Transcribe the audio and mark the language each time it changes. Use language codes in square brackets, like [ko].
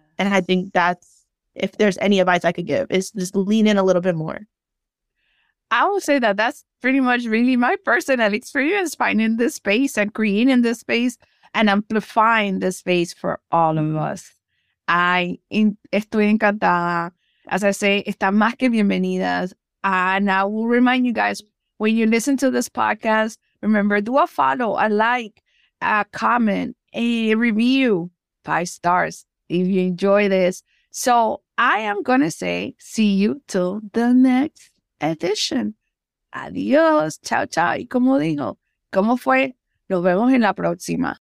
[en] And I think that's, if there's any advice I could give, is just lean in a little bit more. I will say that that's pretty much really my personal experience, finding this space and creating this space and amplifying this space for all of us. [es] Estoy encantada. [en] As I say, [es] están más que bienvenidas. [en] And I will remind you guys, when you listen to this podcast, remember, do a follow, a like, a comment, a review, 5 stars if you enjoy this. So I am going to say, see you till the next edition. [es] Adios. Chao, chao. Y como digo, ¿cómo fue? Nos vemos en la próxima.